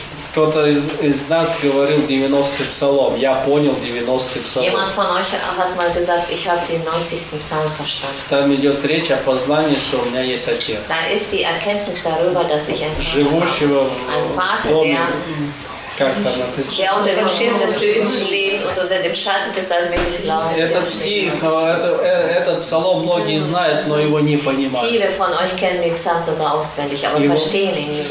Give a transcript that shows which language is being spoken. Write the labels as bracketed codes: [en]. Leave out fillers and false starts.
[ru] Кто-то из нас говорил 90-й псалом. Я понял 90-й псалом. [de] Jemand von euch hat mal gesagt, ich habe den 90. Psalm verstanden. [ru] Там идет речь о познании, что у меня есть отец. [de] Da ist die Erkenntnis darüber, dass ich ein [ru] живущего [de] Vater, der unter dem Schirm des Höchsten lebt und unter dem Schatten des Allmächtigen lautet. Viele von euch kennen den Psalm sogar auswendig, aber verstehen ihn nicht.